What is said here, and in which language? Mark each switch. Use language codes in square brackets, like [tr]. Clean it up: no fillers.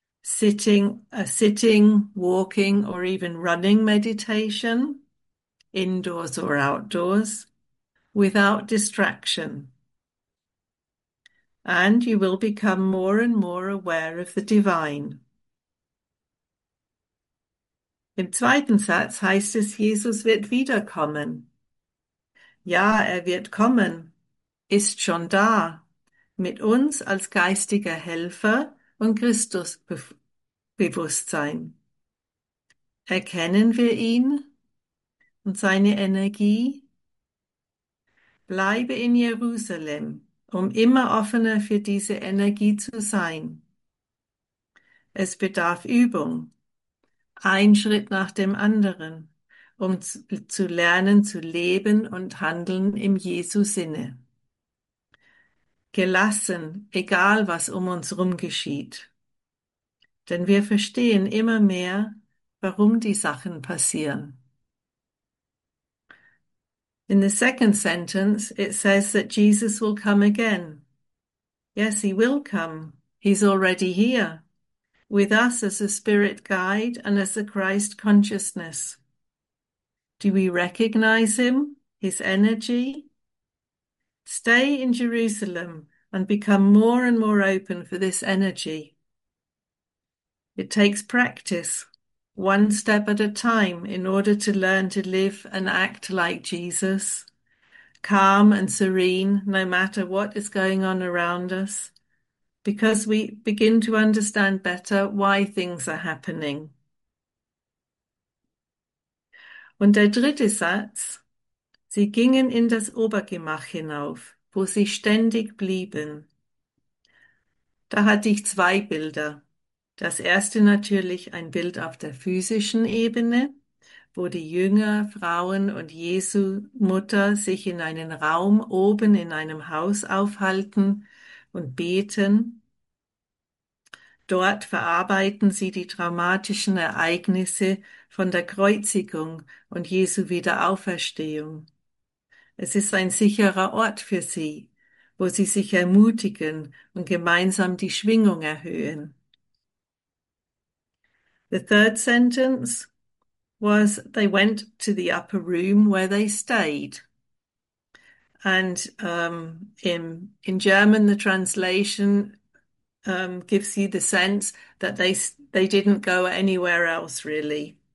[en] sitting, walking, or even running meditation, indoors or outdoors, without distraction. And you will become more and more aware of the divine. [de] Im zweiten Satz heißt es, Jesus wird wiederkommen. Ja, er wird kommen, ist schon da, mit uns als geistiger Helfer und Christusbewusstsein. Erkennen wir ihn und seine Energie? Bleibe in Jerusalem, um immer offener für diese Energie zu sein. Es bedarf Übung, ein Schritt nach dem anderen, um zu lernen, zu leben und handeln im Jesu-Sinne. Gelassen, egal was um uns herum geschieht. Denn wir verstehen immer mehr, warum die Sachen passieren. [en] In the second sentence, it says that Jesus will come again. Yes, he will come. He's already here, with us as a spirit guide and as a Christ consciousness. Do we recognize him, his energy? Stay in Jerusalem and become more and more open for this energy. It takes practice. One step at a time in order to learn to live and act like Jesus, calm and serene no matter what is going on around us, because we begin to understand better why things are happening. [de] Und der dritte Satz, sie gingen in das Obergemach hinauf, wo sie ständig blieben. Da hatte ich zwei Bilder. Das erste natürlich ein Bild auf der physischen Ebene, wo die Jünger, Frauen und Jesu Mutter sich in einen Raum oben in einem Haus aufhalten und beten. Dort verarbeiten sie die dramatischen Ereignisse von der Kreuzigung und Jesu Wiederauferstehung. Es ist ein sicherer Ort für sie, wo sie sich ermutigen und gemeinsam die Schwingung erhöhen. [en] The third sentence was they went to the upper room where they stayed. And in German, the translation gives you the sense that they didn't go anywhere else really.